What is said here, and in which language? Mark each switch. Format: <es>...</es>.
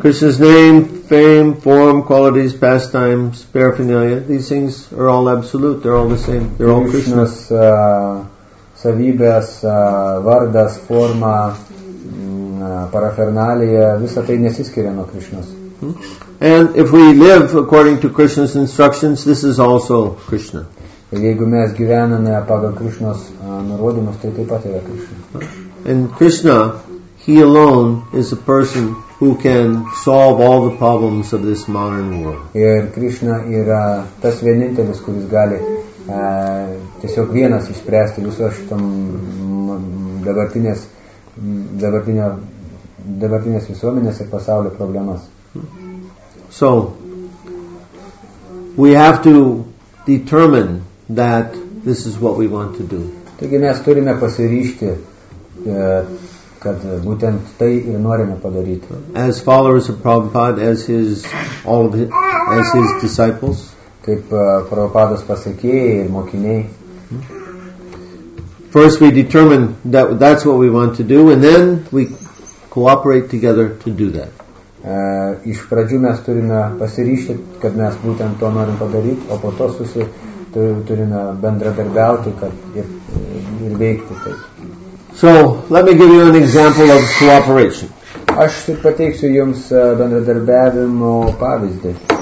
<en>Krishna's name, fame, form, qualities, pastimes, paraphernalia, these things are all absolute, they're all the same. They're all Krishna.</en> <lt>Krishna's savybės, vardas, forma, paraphernalia, visa tai nesiskiria nuo Krishna's.</lt> <en>And if we live according to Krishna's instructions, this is also Krishna.</en> <lt>Jeigu mes gyvename pagal Krishna's nurodymus, tai taip pat yra Krishna.</lt> <en>And Krishna, he alone is a person who can solve all the problems of this modern world.</en> <lt>Ir Krishna yra tas vienintelis, kuris gali tiesiog vienas išspręsti viso šitom dabartinės visuomenės ir pasaulio problemas.</lt> <en>So, we have to determine that this is what we want to do.</en> <lt>Taigi mes turime pasiryšti kad būtent tai ir norime padaryti.</lt> <en>As followers of Prabhupada, as his disciples,</en> <lt>kaip Prabhupadas pasakėjai ir mokiniai.</lt> <en>First we determine that's what we want to do, and then we cooperate together to do that.</en> <lt>Iš pradžių mes turime pasiryšti, kad mes būtent to norim padaryti, o po to susiturime bendradarbiauti, kad ir veikti taip.</lt> <en>So let me give you an example of cooperation.</en> <lt>Aš pateiksiu jums bendradarbiavimo pavyzdį.</lt>